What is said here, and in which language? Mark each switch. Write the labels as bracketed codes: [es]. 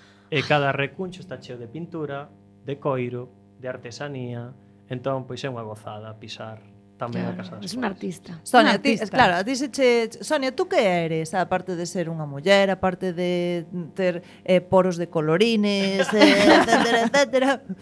[gl] E cada recuncho está cheo de pintura, de coiro, de artesanía. Entón, pois é unha gozada pisar. [es] Claro, es un artista. Sonia, Sonia, ¿tú qué eres? Aparte de ser una mujer, aparte de tener poros de colorines, etcétera.